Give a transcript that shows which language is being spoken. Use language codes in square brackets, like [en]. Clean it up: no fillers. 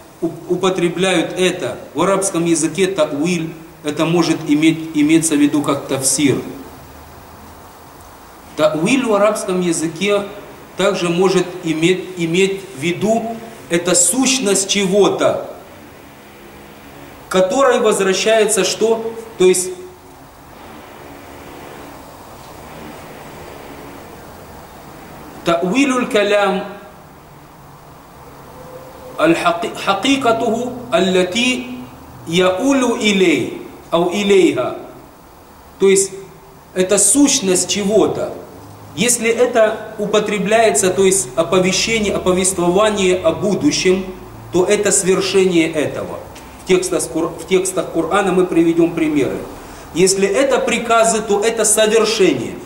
[ru] употребляют это. В арабском языке «тауил» это может иметься в виду как «тафсир». «Тауил» в арабском языке также может иметь в виду это сущность чего-то, которой возвращается что? То есть [ar] تأويل الكلام حقيقته التي يؤول إليه أو إليها. [ru] То есть это сущность чего-то. Если это употребляется, то есть оповещение, оповествование о будущем, то это свершение этого. В текстах Корана мы приведем примеры. Если это приказы, то это совершение.